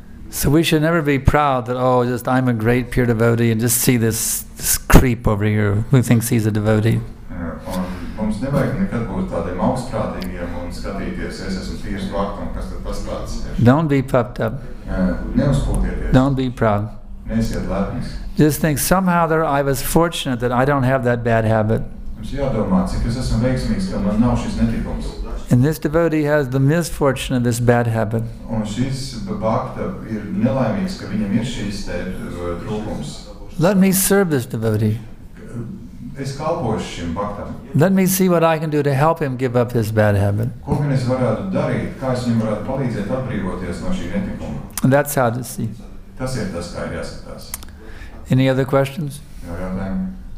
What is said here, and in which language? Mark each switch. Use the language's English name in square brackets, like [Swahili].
[English] So we should never be proud that, oh, just I'm a great pure devotee, and just see this creep over here who thinks he's a devotee. [Latvian] Mums nevajag nekad būt tādiem augstprātīgiem un skatīties, es esmu tīrs bakta, un kas tad pastāsts. [English] Don't be puffed up. [Latvian] Neuzpūtieties. [English] Don't be proud. [Latvian] Neesiet lepnis. [English] Just think, somehow there I was fortunate that I don't have that bad habit. [Latvian] Mums jādomā, cik es esmu veiksmīgs, ka man nav šis netikums. [English] And this devotee has the misfortune of this bad habit. [Latvian] Un šis bakta ir nelaimīgs, ka viņam ir šis trūkums. [English] Let me serve this devotee. [Latvian] Es kalpošu šim baktam. [English] Let me see what I can do to help him give up his bad habit. [Latvian] Ko gan es varētu darīt, kā es viņam varētu palīdzēt atbrīvoties no šī netikuma? [English] That's how to see. [Latvian] Tas ir tas, kā ir jāskatās. [English] Any other questions? [Latvian] Jā, jā, jā.